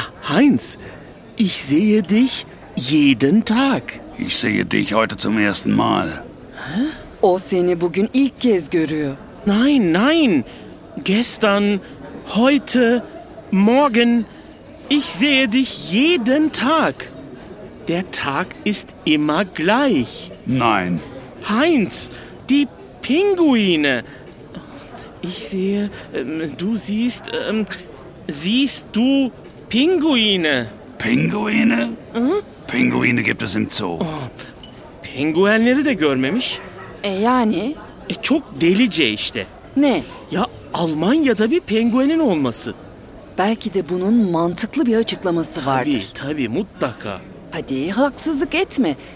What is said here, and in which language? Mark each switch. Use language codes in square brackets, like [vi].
[de] Heinz, ich sehe dich jeden Tag. Ich sehe dich heute zum ersten Mal. Hä? [tr] O seni bugün ilk kez görüyor. [de] Nein. Gestern, heute, morgen. Ich sehe dich jeden Tag. Der Tag ist immer gleich. Nein. Heinz, die Pinguine. Ich sehe, du siehst, siehst du Pinguine? Pinguine? Pinguine gibt es im Zoo. Oh, [tr] pinguenleri de görmemiş. Yani? Çok delice işte. Ne? Ya Almanya'da bir penguenin olması. Belki de bunun mantıklı bir açıklaması vardır. Tabii, tabii, mutlaka. Hadi haksızlık etme.